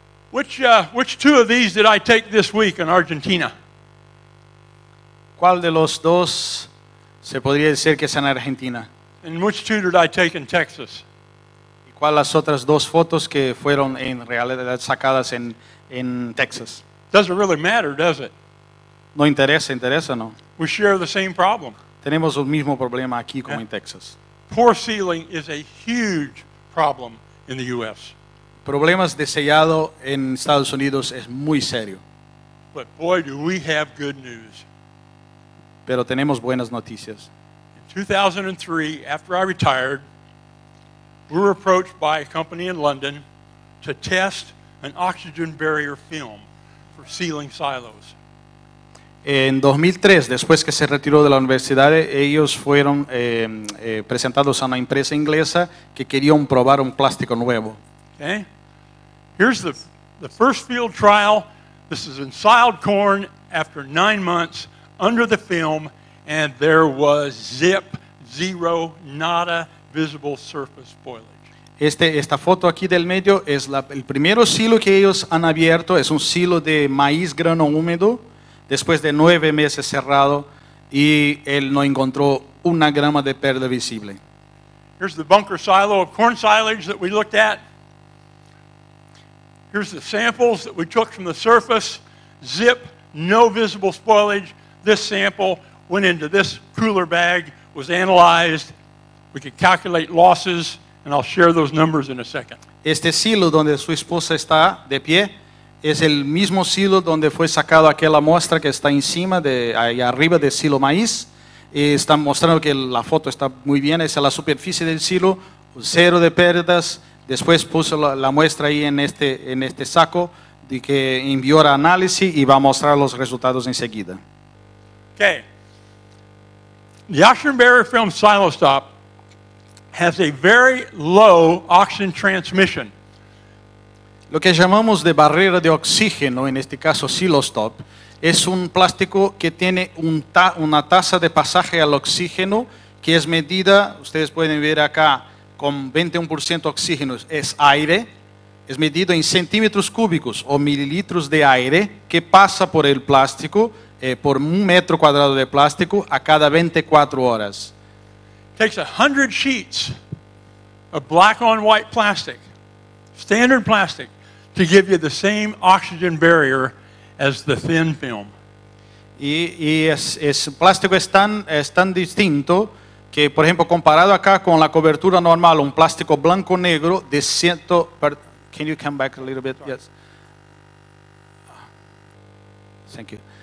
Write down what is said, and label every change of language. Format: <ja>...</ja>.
<en>Which two of these did I take this week in Argentina?</en> <es>¿Cuál de los dos se podría decir que es en Argentina?</es> <en>And which two did I take in Texas?</en> <es>¿Y cuáles las otras dos fotos que fueron en realidad sacadas en Texas?</es> <en>Doesn't really matter, does it?</en> <es>No interesa, ¿interesa o no?</es> <en>We share the same problem.</en> <es>Tenemos el mismo problema aquí como en Texas.</es> <en>Poor sealing is a huge problem in the U.S.</en> <es>Problemas de sellado en Estados Unidos es muy serio.</es> <en>But boy, do we have good news.</en> <es>Pero tenemos buenas noticias.</es> <en>In 2003, after I retired, we were approached by a company in London to test an oxygen barrier film for sealing silos.</en> <es>En 2003, después que se retiró de la universidad, ellos fueron presentados a una empresa inglesa que querían probar un plástico nuevo.</es> <en>Okay. Here's the first field trial. This is in siled corn after 9 months under the film, and there was zip, zero, nada visible surface spoilage.</en> <es>Esta foto aquí del medio es el primero silo que ellos han abierto. Es un silo de maíz grano húmedo. Después de 9 meses cerrado, y él no encontró una grama de pérdida visible.</es> <en>Here's the bunker silo of corn silage that we looked at. Here's the samples that we took from the surface. Zip, no visible spoilage. This sample went into this cooler bag, was analyzed. We could calculate losses, and I'll share those numbers in a second.</en> <es>Este silo donde su esposa está de pie es el mismo silo donde fue sacado aquella muestra que está encima de ahí arriba del silo maíz. Y están mostrando que la foto está muy bien. Esa es la superficie del silo, cero de pérdidas. Después puso la muestra ahí en este saco de que envió a análisis y va a mostrar los resultados enseguida.</es> <en>Okay. The oxygen barrier film silo stop has a very low oxygen transmission.</en> <es>Lo que llamamos de barrera de oxígeno, en este caso Silostop, es un plástico que tiene una tasa de pasaje al oxígeno que es medida, ustedes pueden ver acá, con 21% oxígeno es aire, es medido en centímetros cúbicos o mililitros de aire que pasa por el plástico, por un metro cuadrado de plástico, a cada 24 horas.</es> <en>Takes 100 sheets of black on white plastic, standard plastic, to give you the same oxygen barrier as the thin film.</en> <es>Y es plástico es tan distinto que, por ejemplo, comparado acá con la cobertura normal, un plástico blanco negro de ciento.</es> <en>Can you come back a little bit? Sorry. Yes. Thank you.</en>